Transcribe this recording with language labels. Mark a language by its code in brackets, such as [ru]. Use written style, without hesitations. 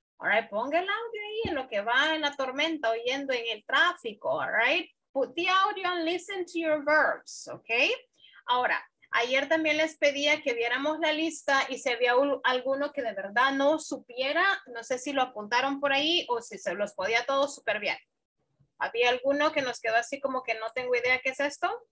[es] All right, ponga el audio ahí en lo que va en la tormenta oyendo en el tráfico, all right? [en] Put the audio and listen to your verbs, okay? [es] Ahora, ayer también les pedía que viéramos la lista y si había alguno que de verdad no supiera, no sé si lo apuntaron por ahí o si se los podía todos súper bien. ¿Había alguno que nos quedó así como que no tengo idea qué es esto?